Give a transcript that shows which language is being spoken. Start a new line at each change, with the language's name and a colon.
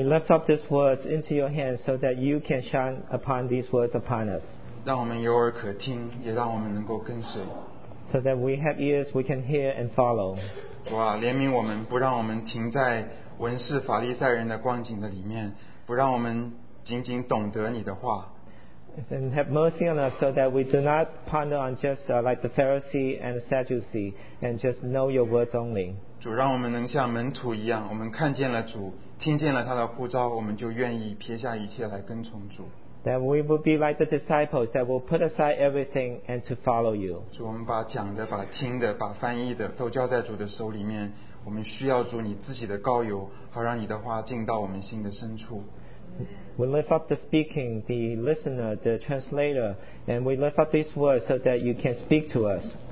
English: lift up these words into your hands so that you can shine upon these words upon us.
Chinese: 让我们有耳可听，也让我们能够跟随。
English: So that we have ears, we can hear and follow.
Chinese: 主啊，怜悯我们，不让我们停在文士法利赛人的光景的里面。
English: And have mercy on us so that we do not ponder on just like the Pharisee and the Sadducee and just know your words only.
Chinese: 主让我们能像门徒一样，我们看见了主，听见了他的呼召，我们就愿意撇下一切来跟从主。
English: That we will be like the disciples that will put aside everything and to follow you.
Chinese: 主我们把讲的、把听的、把翻译的都交在主的手里面。我们需要主你自己的膏油，好让你的话进到我们心的深处。
English: We lift up the speaking, the listener, the translator, and we lift up these words so that you can speak to us.